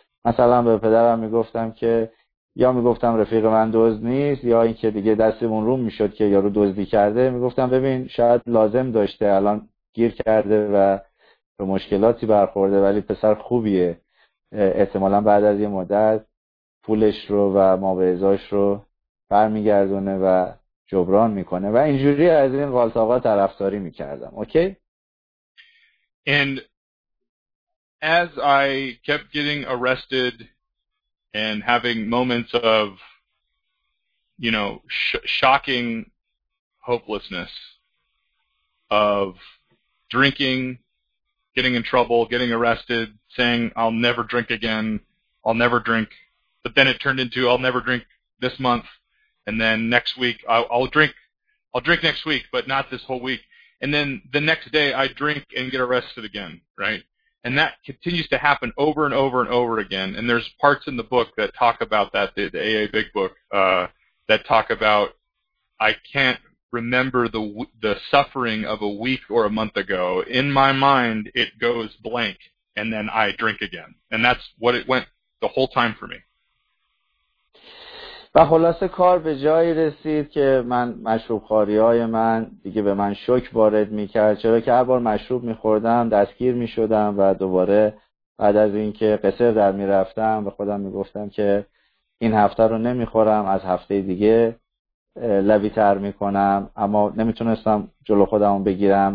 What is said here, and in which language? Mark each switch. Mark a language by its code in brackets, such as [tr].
[fa] مثلا به پدرم میگفتم که یا میگفتم رفیق من دزد نیست یا اینکه دیگه دستمون روم میشد که یارو دزدی کرده، میگفتم ببین شاید لازم داشته الان گیر کرده و به مشکلاتی برخورده ولی پسر خوبیه، احتمالا بعد از یه مدت پولش رو و مابعضاش رو برمیگردونه و جبران میکنه و اینجوری از این قالتاقا طرفداری میکردم. [en] Okay? And as I kept getting arrested and having moments of, you know, shocking hopelessness of drinking, getting in trouble, getting arrested, saying, I'll never drink again, I'll never drink. But then it turned into, I'll never drink this month. And then next week, I'll drink next week, but not this whole week. And then the next day I drink and get arrested again, right? And that continues to happen over and over and over again. And there's parts in the book that talk about that, the AA Big Book, that talk about I can't remember the suffering of a week or a month ago. In my mind, it goes blank, and then I drink again. And that's what it went the whole time for me. [fa] و خلاصه کار به جایی رسید که من مشروب‌خواری‌های من دیگه به من شوک وارد می‌کرد، چرا که هر بار مشروب می‌خوردم دستگیر می‌شدم و دوباره بعد از اینکه قصر در می‌رفتم به خودم می‌گفتم که این هفته رو نمی‌خورم، از هفته دیگه لبی‌تر می‌کنم، اما نمی‌تونستم جلو خودم رو بگیرم.